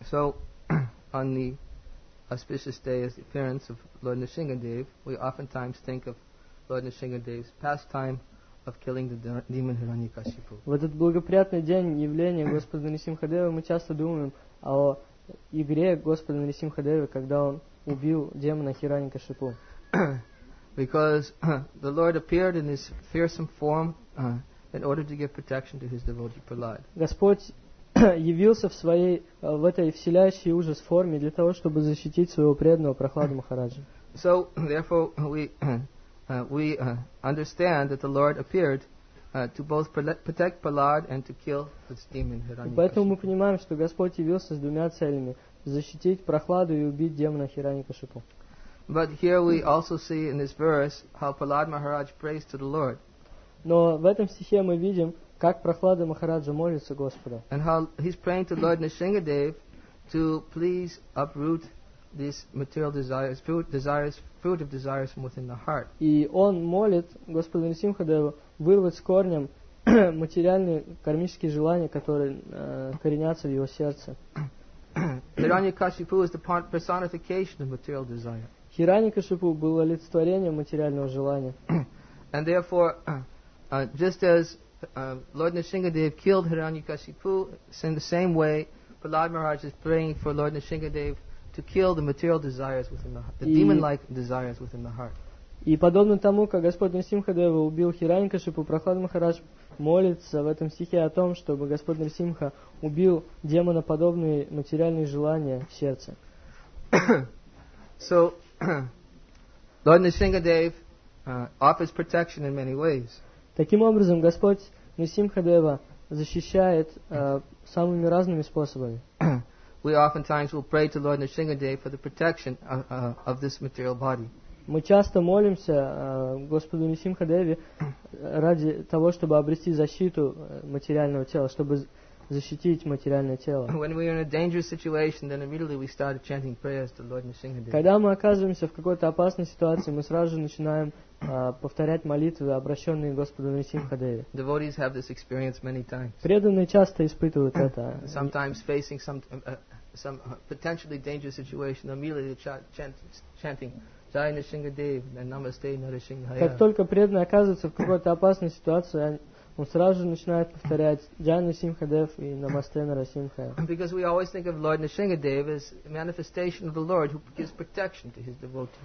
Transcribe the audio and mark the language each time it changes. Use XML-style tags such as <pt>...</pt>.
<en>So, on the auspicious day as the appearance of Lord Nrisimhadev, we oftentimes think of Lord Nrisimhadev's pastime of killing the demon Hiranyakashipu.</en> <ru>В этот благоприятный день явления Господа Нрисимхадевы мы часто думаем о игре Господа Нрисимхадевы, когда он убил демона Хираньякашипу.</ru> <en>Because the Lord appeared in his fearsome form in order to give protection to his devotee Prahlad.</en> <ru>Господь явился в этой вселяющей ужас форме для того, чтобы защитить своего преданного Прохлада Махараджа.</ru> <en>So, therefore, we understand that the Lord appeared to both protect Prahlad and to kill this demon Hiranyakashipu.</en> <ru>Поэтому мы понимаем, что Господь явился с двумя целями: защитить Прохладу и убить демона Хираньякашипу.</ru> <en>But here we also see in this verse how Prahlad Maharaj prays to the Lord.</en> <ru>Но в этом стихе мы видим, как Прохлада Махараджа молится Господу.</ru> <en>And how he's praying to Lord Nrisimhadev to please uproot these material desires, fruit of desires from within the heart.</en> <ru>И он молит Господа Нрисимхадеву вырвать с корнем материальные кармические желания, которые коренятся в его сердце.</ru> <en>Hiranyakashipu is the personification of material desire.</en> <ru>Хираньякашипу было олицетворением материального желания.</ru> <en>And therefore, just as Lord Nrisimhadev killed Hiranyakashipu, in the same way, Prahlad Maharaj is praying for Lord Nrisimhadev to kill the material desires within the demon-like desires within the heart.</en> <ru>И подобно тому, как Господь Нрисимхадева убил Хираньякашипу, Прохлад Махарадж молится в этом стихе о том, чтобы Господь Нрисимха убил демоноподобные материальные желания в сердце.</ru> <en>So, Lord Nrisimhadev offers protection in many ways.</en> <ru>Таким образом, Господь Нрисимхадева защищает самыми разными способами.</ru> <en>We oftentimes will pray to Lord Nrisimhadev for the protection of this material body.</en> <ru>Мы часто молимся Господу Нрисимхадеве ради того, чтобы обрести защиту материального тела, чтобы защитить материальное тело.</ru> <en>When we are in a dangerous situation, then immediately we start chanting prayers to Lord Nrisimhadev.</en> <ru>Когда мы оказываемся в какой-то опасной ситуации, мы сразу же начинаем повторять молитвы, обращенные Господу Нрисимхадеве.</ru> <en>Devotees have this experience many times.</en> <ru>Преданные часто испытывают это.</ru> <en>Sometimes facing some potentially dangerous situation, immediately chanting Jai Nrisimhadev and Namaste Nrisimhaya.</en> <ru>Как только преданный оказывается в какой-то опасной ситуации, он сразу же начинает повторять Джай Нрисимхадев и Намасте Нарасимхая.</ru> <en>Because we always think of Lord Nrisimhadev as a manifestation of the Lord who gives protection to his devotees.</en>